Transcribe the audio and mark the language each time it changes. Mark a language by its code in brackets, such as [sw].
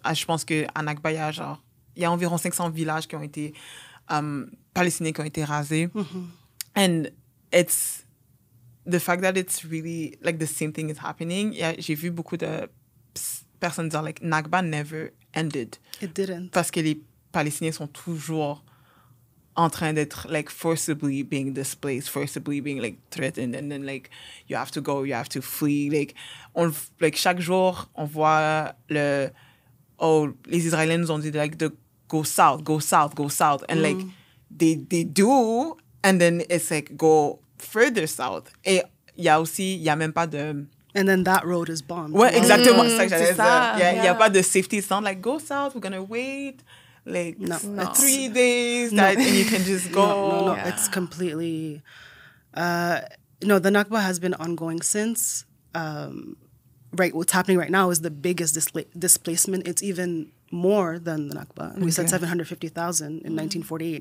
[fr] Ah, je pense qu'à Nakba, il y a environ 500 villages qui ont été, Palestiniens qui ont été rasés. Mm-hmm. [en] And it's the fact that it's really, like, the same thing is happening. [fr] Yeah, j'ai vu beaucoup de personnes dire, like, [en] Nakba never ended. It didn't. [fr] Parce que les Palestiniens sont toujours en train d'être, [en] like, forcibly being displaced, forcibly being, like, threatened, and then, like, you have to go, you have to flee. [fr] Like, on, like chaque jour, on voit le... [en] Oh, [fr] les Israéliens nous ont dit, [en] like, de go south, go south, go south. And, mm. like, they do, and then it's, like, go further south. [fr] Et il y a aussi, il n'y a même pas de... [en] And then that road is bombed. [fr] Ouais, right? Exactement. Mm, c'est ça. Il n'y a, yeah. a pas de safety. [en] It's not like, go south, we're gonna wait. Like, no, no. 3 days that no. you can just go. No, no, no. Yeah. It's completely... no, the Nakba has been ongoing since. Right, what's happening right now is the biggest displacement. It's even more than the Nakba. Okay. We said 750,000 in 1948.